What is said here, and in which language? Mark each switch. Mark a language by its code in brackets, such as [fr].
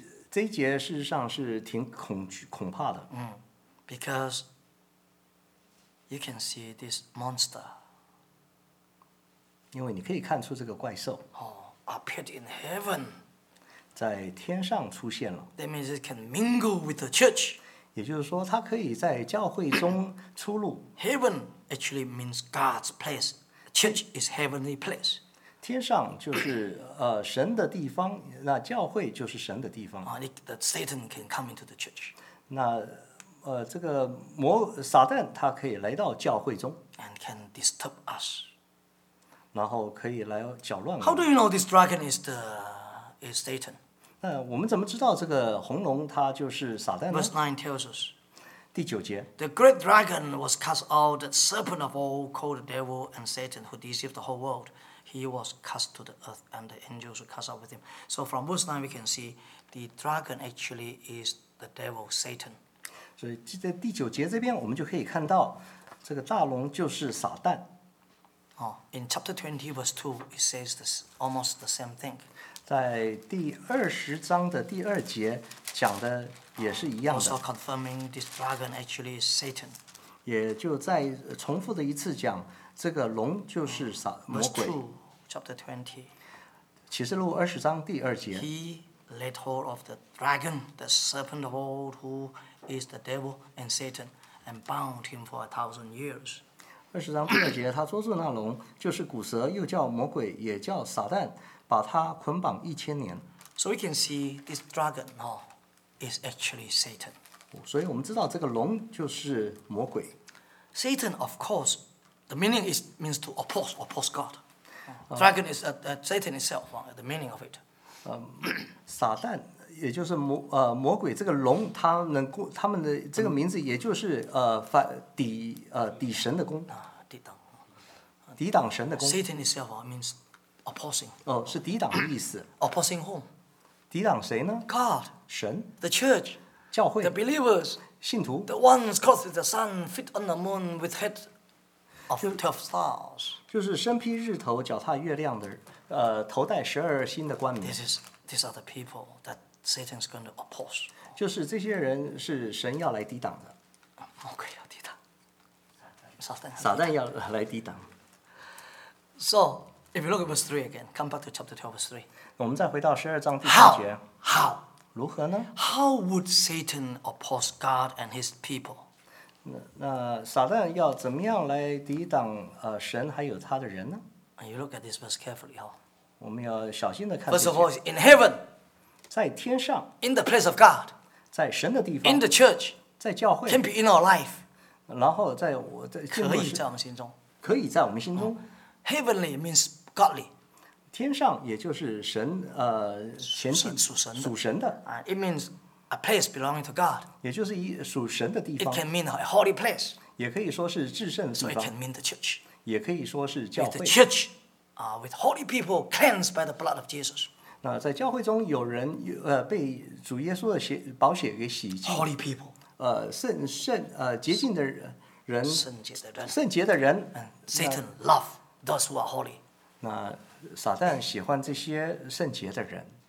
[zh] 这一节事实上是挺恐怕的。 [en] Because you can see this monster. [zh] 因为你可以看出这个怪兽。 [en] Appeared in heaven， [zh] 在天上出现了。 [en] That means it can mingle with the church。 [zh] 也就是说，它可以在教会中出入。 [en] Heaven actually means God's place. Church is heavenly place。 [zh] 天上就是神的地方，那教会就是神的地方。 [en] That Satan can come into the church。 [zh] 那这个魔撒旦他可以来到教会中。 [en] And can disturb us。 [zh] 然后可以来搅乱。 [en] How do you know this dragon is Satan? [zh] 那我们怎么知道这个红龙它就是撒旦呢 [en] ？Verse 9 tells us. [zh] 第九节。 [en] The great dragon was cast out, the serpent of old, called the devil and Satan, who deceived the whole world. He was cast to the earth, and the angels were cast out with him. So from verse 9 we can see the dragon actually is the devil, Satan. [zh] 所以在第九节这边，我们就可以看到这个大龙就是撒旦。 [en] In chapter 20, verse 2, it says this, almost the same thing. [zh] 在第二十章的第二节讲的也是一样的。 [en] Also confirming this dragon actually is Satan. [zh] 也就再重复的一次讲，这个龙就是魔鬼。 [en] Chapter 20. [zh] 启示录二十章第二节。 [en] He laid hold of the dragon, the serpent of old, who is the devil and Satan, and bound him for 1,000 years. [zh] 二十章第二节，他捉住那龙，就是古蛇，又叫魔鬼，也叫撒旦，把他捆绑1,000年。 [en] So we can see this dragon, is actually Satan. [zh] 所以我们知道这个龙就是魔鬼。 [en] Satan, of course, the meaning is means to oppose God. Dragon is Satan itself, the meaning of it. [zh] 撒旦也就是魔鬼这个龙，他能够他们的这个名字也就是抵神的功。抵挡神的功。 [en] Satan itself means opposing. [zh] 是抵挡的意思。 [en] Opposing whom? [zh] 抵挡谁呢 [en] ？God， [zh] 神 [en] ，the church， [zh] 教会 [en] ，the believers， [zh] 信徒 [en] ，the ones clothed with the sun, fit on the moon with head of 12 stars， [zh] 就是身披日头、脚踏月亮的，头戴12星的冠冕。 [en] These are the people that Satan's going to oppose。 [zh] 就是这些人是神要来抵挡的，魔鬼要抵挡，撒旦要来抵挡。 [en] So if you look at verse 3 again, come back to chapter 12, verse 3. [zh] 我们再回到十二章第三节。 [en] How? [zh] 如何呢 [en] ？How would Satan oppose God and His people? [zh] 那撒旦要怎么样来抵挡神还有他的人呢 [en] ？And you look at this verse carefully, [zh] 我们要小心的看。 [en] First of all, in heaven, [zh] 在天上。 [en] In the place of God, [zh] 在神的地方。 [en] In the church, [zh] 在教会。 [en] Can be in our life, [zh] 然后在我的可以在我们心中。可以在我们心中。 [en] Heavenly means godly. [zh] 天上也就是神前进属神的属神的、 [en] it means a place belonging to God [zh] 也就是属神的地方 [en] it can mean a holy place [zh] 也可以说是至圣的地方 [en] so it can mean the church [zh] 也可以说是教会 [en] with the church with holy people cleansed by the blood of Jesus [zh] 那在教会中有人被主耶稣的宝血给洗净 [en] holy people [zh] 洁净的人圣洁的人 [en] Satan love those who are holy [zh] 那撒旦喜欢这些圣洁的人